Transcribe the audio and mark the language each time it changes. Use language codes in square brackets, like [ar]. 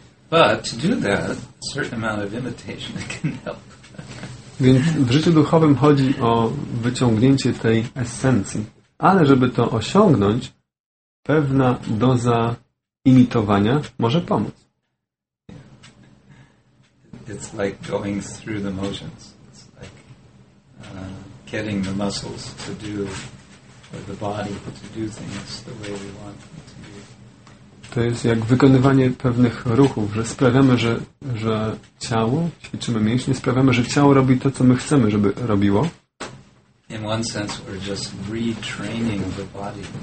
[en] But to do that, a certain amount of imitation can help. [pl] Więc w życiu duchowym chodzi o wyciągnięcie tej esencji. Ale żeby to osiągnąć, pewna doza imitowania może pomóc. [en] It's like going through the motions. getting the muscles to do, or the body to do things the way we want them to be. [pl] To jest jak wykonywanie pewnych ruchów, że sprawiamy, że ciało, ćwiczymy mięśnie, sprawiamy, że ciało robi to, co my chcemy, żeby robiło. [en] In one sense we're just retraining the body.